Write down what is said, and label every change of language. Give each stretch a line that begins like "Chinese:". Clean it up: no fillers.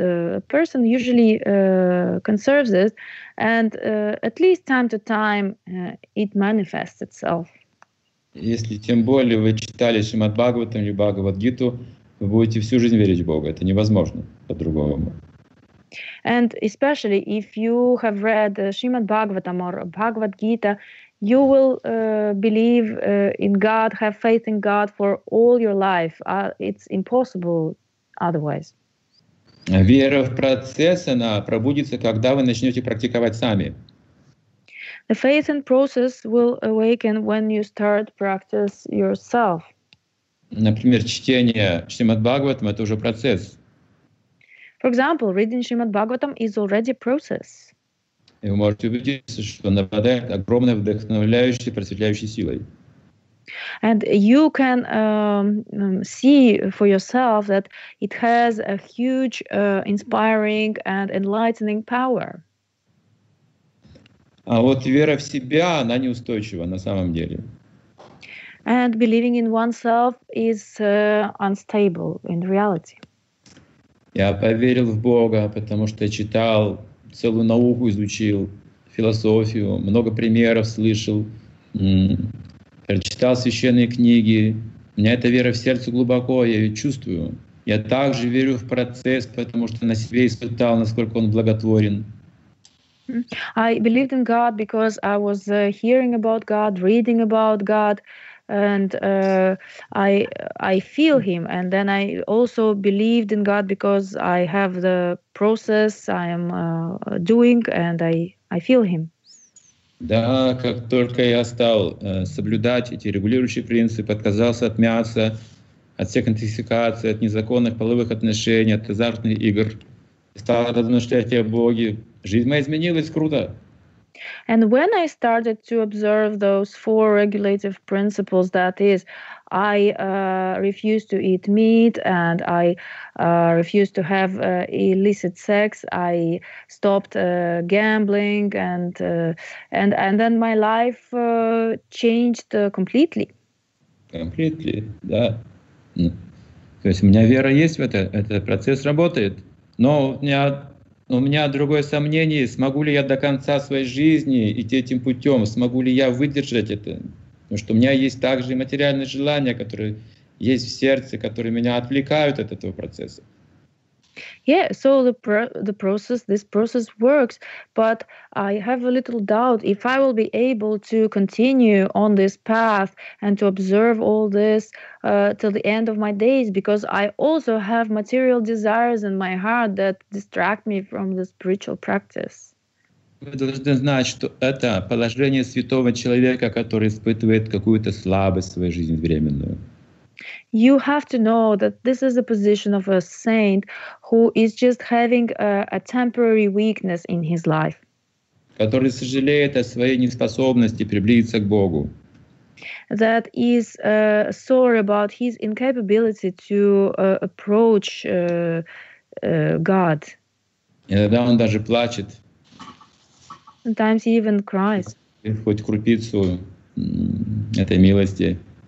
English: A person usually conserves it, and at least time to time it manifests itself.
Russian: Если тем более вы читали Шримад-Бхагаватам или Бхагавад-гиту, вы будете всю жизнь верить в Бога. Это невозможно по-другому.
English: And especially if you have read Srimad Bhagavatam or Bhagavad Gita, you will believe in God, have faith in God for all your life. It's impossible otherwise.
Russian: Вера в процесс, она пробудится, когда вы начнете практиковать сами.
English: The faith in process will awaken when you start practice yourself.
Russian: Например, чтение Srimad Bhagavatam — это уже процесс.
English: For example, reading Srimad Bhagavatam is already a process.
Russian: И вы можете убедиться, что она обладает огромной вдохновляющей, просветляющей силой.
English: And you can see for yourself that it has a huge inspiring and enlightening power.
Russian: А вот вера в себя, она неустойчива на самом деле.
English: And believing in oneself is unstable in reality.
Russian: Я поверил в Бога, потому что я читал, целую науку изучил, философию, много примеров слышал, прочитал священные книги. У меня эта вера в сердце глубоко, я ее чувствую. Я также верю в процесс, потому что на себе испытал, насколько он благотворен.
English: I believed in God because I was hearing about God, reading about God. And I feel him, and then I also believed in God because I have the process I am doing, and I feel him.
Russian: Да, как только я стал соблюдать эти регулирующие принципы, отказался от мяса, от всех интоксикаций, от незаконных половых отношений, от азартных игр, стал размышлять о Боге, жизнь моя изменилась круто.
English: And when I started to observe those four regulative principles, that is, I refused to eat meat and I refused to have illicit sex, I stopped gambling and then my life changed completely. Completely, да.
Russian: То есть у меня вера есть в это процесс работает, но у меня другое сомнение, смогу ли я до конца своей жизни идти этим путем, смогу ли я выдержать это. Потому что у меня есть также материальные желания, которые есть в сердце, которые меня отвлекают от этого процесса.
English: Yeah, so this process works, but I have a little doubt if I will be able to continue on this path and to observe all this till the end of my days, because I also have material desires in my heart that distract me from the spiritual practice.
Russian: Вы должны знать, что это положение святого человека, который испытывает какую-то слабость в своей жизни временную.
English: You have to know that this is the position of a saint who is just having a temporary weakness in his life.
Russian: Который сожалеет о своей неспособности приблизиться к Богу.
English: That is sorry about his incapability to approach God.
Russian: Иногда он даже плачет.
English: Sometimes he even cries.
Russian: Хоть крупицу этой милости.